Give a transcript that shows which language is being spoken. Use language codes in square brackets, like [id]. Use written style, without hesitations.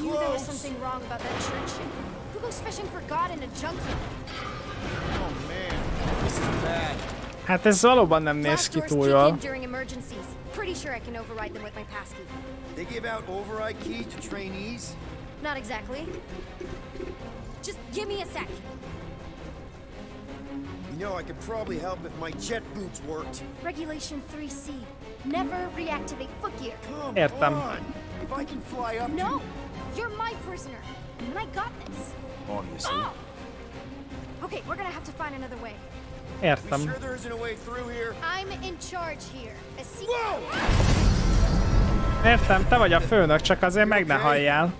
[en] I knew there was something wrong about that church. Who goes fishing for God in a junkyard? Oh man, this is bad. [hu] Hát ez valóban nem néz ki túl jól. [en] During emergencies, pretty sure I can override them with my passkey. They give out override keys to trainees? Not exactly. Just give me a sec. You know, I could probably help if my jet boots worked. Regulation 3C. Never reactivate foot gear. Come Értem. On! If I can fly up no, to... No! You're my prisoner! And I got this! Obviously. Oh! Okay, we're gonna have to find another way. [hu] Értem. [en] Are you sure there isn't a way through here? I'm in charge here. A secret... Whoa! [hu] Értem, te vagy a főnök, csak azért meg ne halljál.